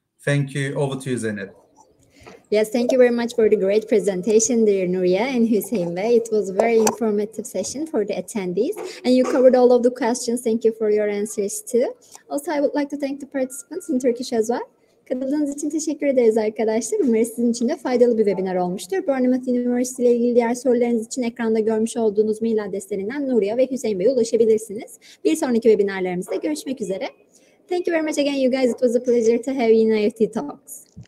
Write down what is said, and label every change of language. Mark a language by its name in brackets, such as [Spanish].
[English] Thank you. Over to you, Zeynep. Yes, thank you very much for the great presentation, dear Nuria and Hussein Bey. It was a very informative session for the attendees, and you covered all of the questions. Thank you for your answers too. Also, I would like to thank the participants in Turkish as well. [Turkish] Katıldığınız için teşekkür ederiz arkadaşlar. Umarım sizin için de faydalı bir webinar olmuştur. Bournemouth University ile ilgili diğer sorularınız için ekranda görmüş olduğunuz mail adreslerinden Nuria ve Hussein Bey'e ulaşabilirsiniz. Bir sonraki webinarlarımızda görüşmek üzere. [English] Thank you very much again, you guys. It was a pleasure to have you in IEFT Talks.